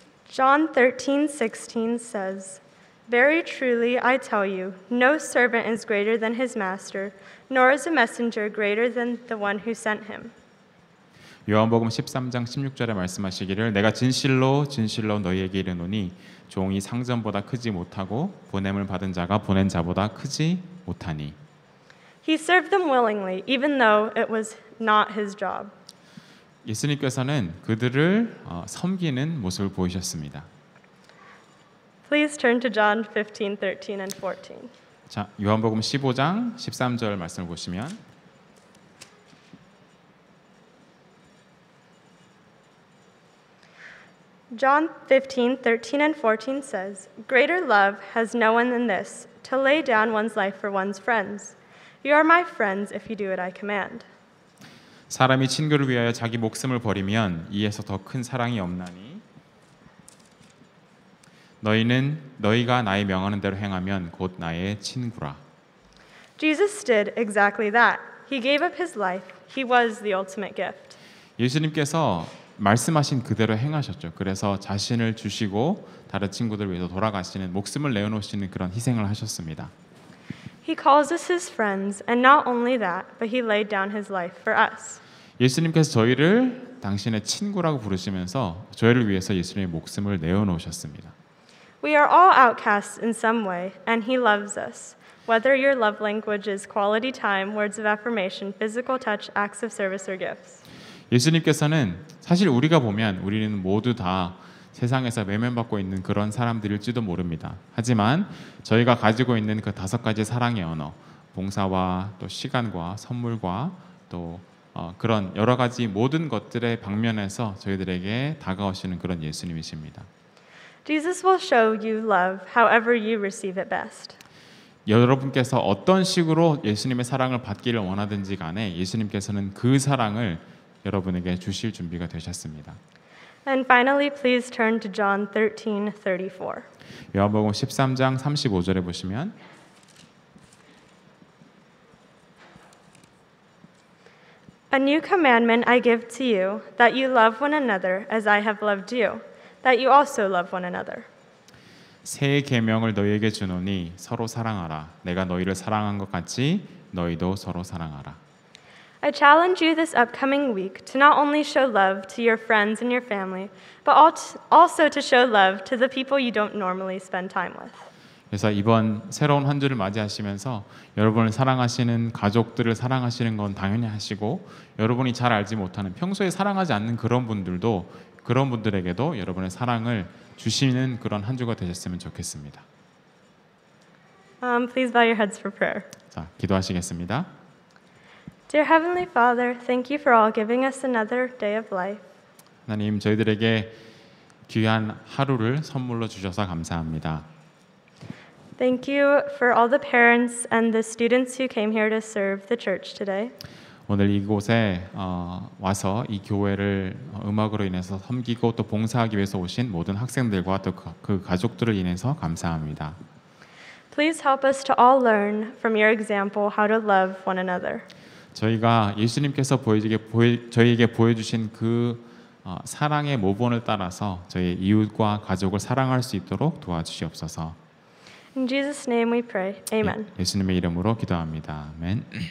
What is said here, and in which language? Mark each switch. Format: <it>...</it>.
<en>John 13:16 says, Very truly I tell you, no servant is greater than his master, nor is a messenger greater than the one who sent him.</en> <ko>요한복음 13장 16절에 말씀하시기를 내가 진실로 진실로 너희에게 이르노니 종이 상전보다 크지 못하고 보냄을 받은 자가 보낸 자보다 크지 못하니.</ko> <en>He served them willingly, even though it was not his job.</en> <ko>예수님께서는 그들을 섬기는 모습을 보이셨습니다.</ko> <en>Please turn to John 15:13-14.</en> <ko>자, 요한복음 15장 13절 말씀을 보시면</ko> <en>John 15:13-14 says, Greater love has no one than this, to lay down one's life for one's friends. You are my friends if you do what I command.</en> <ko>사람이 친구를 위하여 자기 목숨을 버리면 이에서 더 큰 사랑이 없나니 너희는 너희가 나의 명하는 대로 행하면 곧 나의 친구라.</ko> <en>Jesus did exactly that. He gave up his life. He was the ultimate gift.</en> <ko>예수님께서 말씀하신 그대로 행하셨죠. 그래서 자신을 주시고 다른 친구들 위해서 돌아가시는 목숨을 내어놓으시는 그런 희생을 하셨습니다.</ko> <en>He calls us his friends, and not only that, but he laid down his life for us.</en> <ko>예수님께서 저희를 당신의 친구라고 부르시면서 저희를 위해서 예수님의 목숨을 내어놓으셨습니다.</ko> <en>We are all outcasts in some way, and he loves us. Whether your love language is quality time, words of affirmation, physical touch, acts of service, or gifts.</en> <ko>예수님께서는 사실 우리가 보면 우리는 모두 다 세상에서 외면받고 있는 그런 사람들일지도 모릅니다. 하지만 저희가 가지고 있는 그 다섯 가지 사랑의 언어, 봉사와 또 시간과 선물과 또 그런 여러 가지 모든 것들의 방면에서 저희들에게 다가오시는 그런 예수님이십니다.</ko> <en>Jesus will show you love however you receive it best.</en> <ko>여러분께서 어떤 식으로 예수님의 사랑을 받기를 원하든지 간에 예수님께서는 그 사랑을 여러분에게 주실 준비가 되셨습니다.</ko> <en>And finally, please turn to John 13:34.</en> <ko>요한복음 13장 35절에 보시면</ko> <en>A new commandment I give to you, that you love one another as I have loved you, that you also love one another.</en> <ko>새 계명을 너희에게 주노니 서로 사랑하라. 내가 너희를 사랑한 것 같이 너희도 서로 사랑하라.</ko> <en>I challenge you this upcoming week to not only show love to your friends and your family, but also to show love to the people you don't normally spend time with.</en> <ko>그래서 이번 새로운 한 주를 맞이하시면서 여러분을 사랑하시는 가족들을 사랑하시는 건 당연히 하시고 여러분이 잘 알지 못하는 평소에 사랑하지 않는 그런 분들도 그런 분들에게도 여러분의 사랑을 주시는 그런 한 주가 되셨으면 좋겠습니다.</ko> <en>Please bow your heads for prayer.</en> <ko>자, 기도하시겠습니다.</ko> <en>Dear Heavenly Father, thank you for all giving us another day of life.</en> <ko>하나님, 저희들에게 귀한 하루를 선물로 주셔서 감사합니다.</ko> <en>Thank you for all the parents and the students who came here to serve the church today.</en> <ko>오늘 이곳에 와서 이 교회를 음악으로 인해서 섬기고 또 봉사하기 위해서 오신 모든 학생들과 또 그 가족들을 인해서 감사합니다.</ko> <en>Please help us to all learn from your example how to love one another.</en> <ko>저희가 예수님께서 저희에게 보여주신 그 사랑의 모범을 따라서 저희 이웃과 가족을 사랑할 수 있도록 도와주시옵소서.</ko> <en>In Jesus' name we pray. Amen.</en> <ko>예수님의 이름으로 기도합니다. 아멘.</ko>